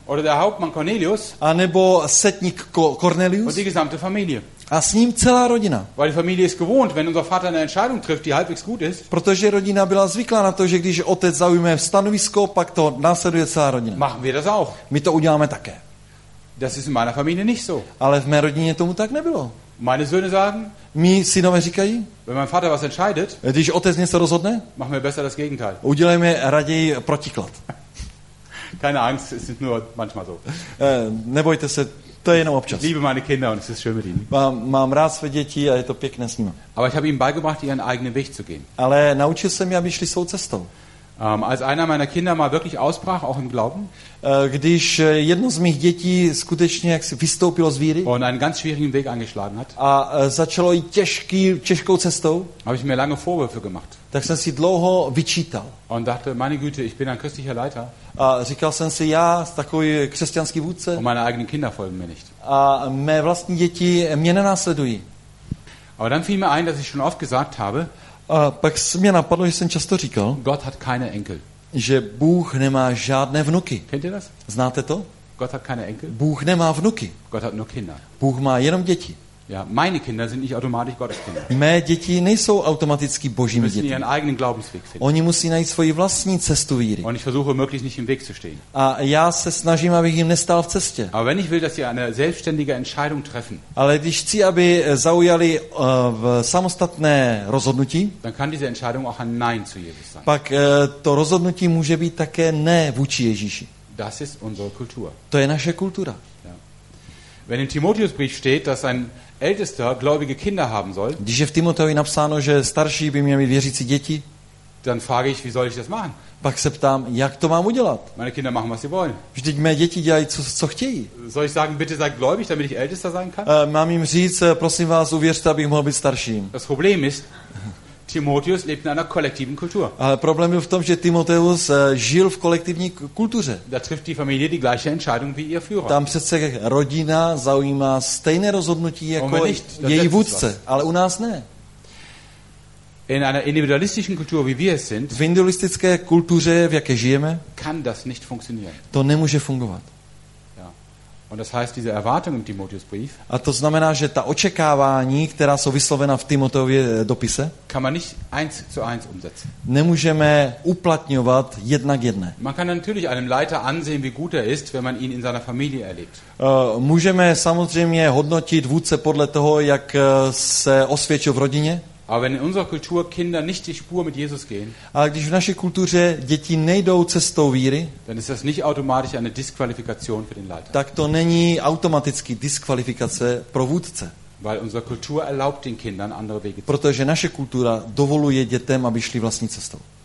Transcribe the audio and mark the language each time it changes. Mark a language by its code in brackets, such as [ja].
[de] Oder der Hauptmann Cornelius. [cs] A nebo setník Cornelius. [de] Und die gesamte Familie. [cs] A s ním celá rodina. [de] Weil die Familie ist gewohnt, wenn unser Vater eine Entscheidung trifft, die halbwegs gut ist. [cs] Protože rodina byla zvyklá na to, že když otec zaujme stanovisko, pak to následuje celá rodina. [de] Machen wir das auch. [cs] My to uděláme také. [de] Das ist in meiner Familie nicht so. [cs] Ale v mé rodině tomu tak nebylo. [de] Meine Söhne sagen, [cs] mí synové říkají, [de] wenn mein Vater was entscheidet, [cs] když otec něco rozhodne, [de] machen wir besser das Gegenteil. [cs] Udělejme raději protiklad. [de] Keine Angst, es ist nur manchmal so. [cs] Nebojte se, to je jenom občas. [de] Ich liebe meine Kinder und es ist schön mit ihnen. [cs] Mám rád své děti a je to pěkné s nimi. [de] Aber ich habe ihnen beigebracht, ihren eigenen Weg zu gehen. [cs] Ale naučil jsem je, aby šli svou cestou. [de] Als einer meiner Kinder mal wirklich ausbrach, auch im Glauben, [cs] když jedno z mých dětí skutečně vystoupilo z víry [de] und einen ganz schwierigen Weg eingeschlagen hat, [cs] a začalo jít těžkou cestou, [de] habe ich mir lange Vorwürfe gemacht. [cs] Tak jsem si dlouho vyčítal. [de] Und dachte, meine Güte, ich bin ein christlicher Leiter. [cs] A říkal jsem si, já takový křesťanský vůdce. [de] Und meine eigenen Kinder folgen mir nicht. [cs] A mé vlastní děti mě nenásledují. [de] Aber dann fiel mir ein, dass ich schon oft gesagt habe, [cs] a pak mě napadlo, že jsem často říkal, [de] Gott hat keine Enkel. [cs] Že Bůh nemá žádné vnuky. [de] Kennt ihr das? [cs] Znáte to? [de] Gott hat keine Enkel. [cs] Bůh nemá vnuky. [de] Gott hat nur Kinder. [cs] Bůh má jenom děti. [de] Ja, meine Kinder sind nicht automatisch Gottes Kinder. [cs] Mé děti nejsou automaticky Božími dětmi. [de] Müssen ihren eigenen Glaubensweg finden. [cs] Oni musí najít svoji vlastní cestu víry. [de] Und ich versuche möglichst nicht im Weg zu stehen. [cs] A já se snažím, abych jim nestál v cestě. [de] Aber wenn ich will, dass sie eine selbstständige Entscheidung treffen. [cs] Ale když chci, aby zaujali samostatné rozhodnutí, [de] dann kann diese Entscheidung auch ein Nein zu Jesus sein. [cs] Pak to rozhodnutí může být také ne vůči Ježíši. [de] Das ist unsere Kultur. [cs] To je naše kultura. [de] Ja. Wenn im Timotheusbrief steht, dass ein ältester gläubige Kinder haben soll. [cs] Když je v Timoteovi napsáno, že starší by měl mít věřící děti, [de] dann frage ich, wie soll ich das machen? [cs] Pak se ptám, jak to mám udělat? [de] Meine Kinder machen, was sie wollen. [cs] Vždyť mé děti dělají, co chtějí. [de] Soll ich sagen, bitte sei gläubig, damit ich ältester sein kann? [cs] Mám jim říct, prosím vás, uvěřte, abych mohl být starším. [de] Das Problem ist, Timotheus lebt in einer kollektiven Kultur. [cs] Problém byl v tom, že Timoteus žil v kolektivní kultuře. [de] Da trifft die Familie die gleiche Entscheidung wie ihr Führer. [cs] Tam přece rodina zaujímá stejné rozhodnutí jako [de] nicht, [cs] její vůdce, ale u nás ne. [de] In einer individualistischen Kultur wie wir es sind, [cs] v individualistické kultuře, v jaké žijeme, [de] kann das nicht funktionieren. [cs] To nemůže fungovat. [de] Und das heißt, diese Erwartung im Timotheusbrief, [cs] a to znamená, že ta očekávání, která jsou vyslovena v Timoteově dopise, [de] kann man nicht eins zu eins umsetzen. [cs] Nemůžeme uplatňovat jedna k jedné. [de] Man kann natürlich einem Leiter ansehen, wie gut er ist, wenn man ihn in seiner Familie erlebt. [cs] Můžeme samozřejmě hodnotit vůdce podle toho, jak se osvědčil v rodině. [de] Aber wenn in unserer Kultur Kinder nicht die Spur mit Jesus gehen, [cs] ale když v naší kultuře děti nejdou cestou víry, [de] dann ist das nicht automatisch eine Disqualifikation für den Leiter. [cs] Tak to není automaticky diskvalifikace pro vůdce. [de] Weil unsere Kultur erlaubt den Kindern andere Wege. [cs] Protože naše kultura dovoluje dětem, aby šli vlastní cestou.